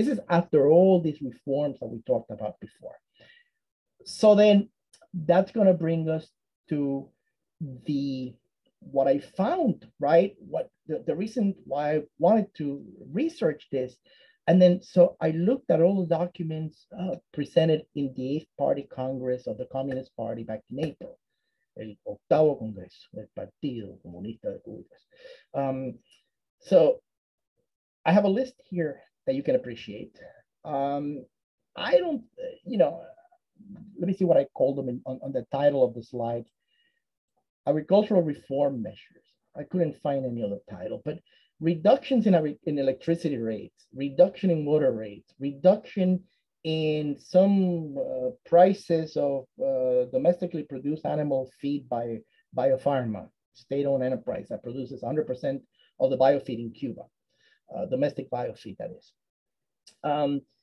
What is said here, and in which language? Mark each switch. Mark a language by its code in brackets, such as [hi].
[en] This is after all these reforms that we talked about before. So then that's gonna bring us to what I found, right? What the reason why I wanted to research this. And then, so I looked at all the documents presented in the 8th Party Congress of the Communist Party back in April. [es] El octavo congreso, el Partido Comunista de Cuba. [en] So I have a list here that you can appreciate. Let me see what I called them on the title of the slide. Agricultural reform measures. I couldn't find any other title, but reductions in electricity rates, reduction in water rates, reduction in some prices of domestically produced animal feed by biopharma, state-owned enterprise that produces 100% of the biofeed in Cuba, domestic biofeed, that is.